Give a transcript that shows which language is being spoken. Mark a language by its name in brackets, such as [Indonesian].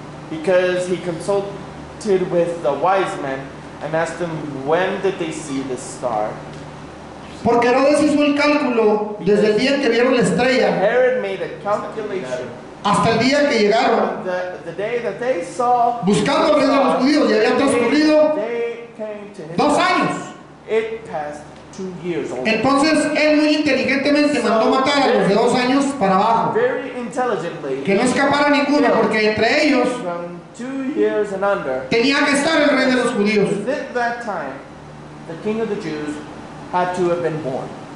[English] Because he consulted with the wise men and asked them, when did they see the star? [Spanish] Porque Herodes hizo el cálculo desde el día que vieron la estrella. [English] Herod made a calculation. [Spanish] Hasta el día que llegaron. [English] The day that they saw, [Spanish] buscando al rey de los judíos, ya habían transcurrido 2 años. [English] It passed 2 years old. [Spanish] Entonces él muy inteligentemente mandó matar a los de 2 años para abajo. [English] Very intelligently, [Spanish] que no escapara ninguno, porque entre ellos [English] from 2 years and under, [Spanish] tenía que estar el rey de los judíos. [English] Within that time, the king of the Jews had to have been born.